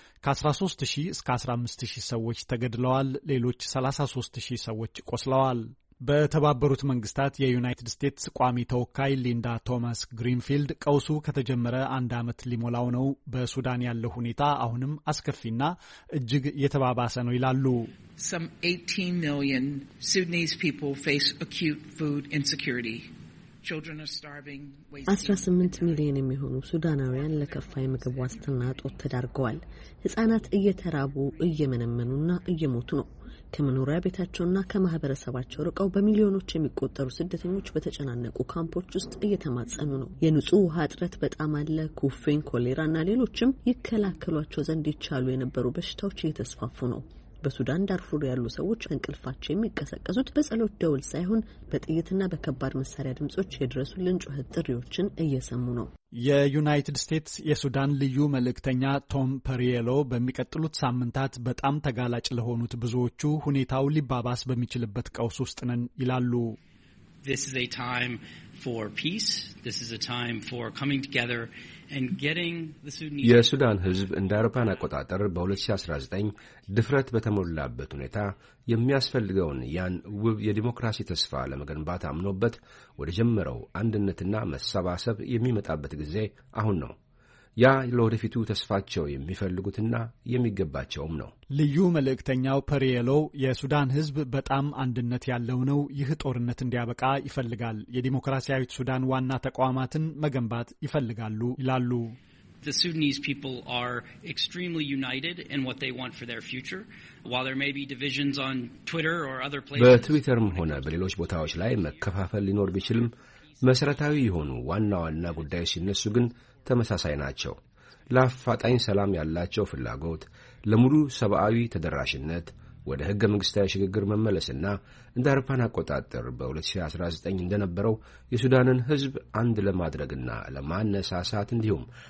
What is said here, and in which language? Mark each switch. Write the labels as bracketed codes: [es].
[am] ከ13000 እስከ 15000 ሰዎች ተገድለዋል። ሌሎች 33000 ሰዎች ቆስለዋል። በተባበሩት መንግስታት የዩናይትድ ስቴትስ ቋሚ ተወካይ ሊንዳ ቶማስ ግሪንፊልድ ቀውሱ ከተጀመረ አንድ ዓመት ሊሞላው ነው፣ በሱዳን ያለው ሁኔታ አሁንም አስከፊና እጅግ የተባባሰ ነው ይላሉ። [en] Some 18 million Sudanese people face acute food insecurity. [am] 18 ሚሊዮን የሚሆኑ ሱዳናውያን ለከፋ የምግብ ዋስትና እጦት ተዳርገዋል። ህጻናት እየተራቡ እየመነመኑና እየሞቱ ነው። ከመኖሪያ ቤታቸውና ከማህበረሰባቸው ርቀው በሚሊዮኖች የሚቆጠሩ ስደተኞች በተጨናነቁ ካምፖች ውስጥ እየተማጸኑ ነው። የንጹህ ውሃ እጥረት በጣም አለ። ኩፍኝ፣ ኮሌራና ሌሎችም ይከላከሏቸው ዘንድ ይቻሉ የነበሩ በሽታዎች እየተስፋፉ ነው። በሱዳን ዳርፉር ያሉ ሰዎች እንቅልፋቸው የሚቀሰቀሱት በጸሎት ደውል ሳይሆን በጥይትና በከባድ መሳሪያ ድምጾች የድረሱልን ጩኸት ጥሪዎችን እየሰሙ ነው። የዩናይትድ ስቴትስ የሱዳን ልዩ መልእክተኛ ቶም ፐሪየሎ በሚቀጥሉት ሳምንታት በጣም ተጋላጭ ለሆኑት ብዙዎቹ ሁኔታው ሊባባስ በሚችልበት ቀውስ ውስጥ ነን ይላሉ። [en] This is a time for peace. This is a time for coming together and getting the Sudanese [am] የሱዳን ህዝብ እንደ አውሮፓን አቆጣጠር በ2019 ድፍረት በተሞላበት ሁኔታ የሚያስፈልገውን ያን ውብ የዲሞክራሲ ተስፋ ለመገንባት አምኖበት ወደ ጀመረው አንድነትና መሰባሰብ የሚመጣበት ጊዜ አሁን ነው። ያ ለወደፊቱ ተስፋቸው የሚፈልጉትና የሚገባቸውም ነው። ልዩ መልእክተኛው ፐሪየሎ የሱዳን ህዝብ በጣም አንድነት ያለው ነው፣ ይህ ጦርነት እንዲያበቃ ይፈልጋል፣ የዲሞክራሲያዊት ሱዳን ዋና ተቋማትን መገንባት ይፈልጋሉ ይላሉ። [en] The Sudanese people are extremely united in what they want for their future. While there may be divisions on Twitter or other places, [am] በትዊተርም ሆነ በሌሎች ቦታዎች ላይ መከፋፈል ሊኖር ቢችልም መሰረታዊ የሆኑ ዋና ዋና ጉዳዮች ሲነሱ ግን ተመሳሳይ ናቸው። ለአፋጣኝ ሰላም ያላቸው ፍላጎት፣ ለሙሉ ሰብአዊ ተደራሽነት፣ ወደ ህገ መንግስታዊ ሽግግር መመለስና እንደ አውሮፓን አቆጣጠር በ2019 እንደነበረው የሱዳንን ህዝብ አንድ ለማድረግና ለማነሳሳት እንዲሁም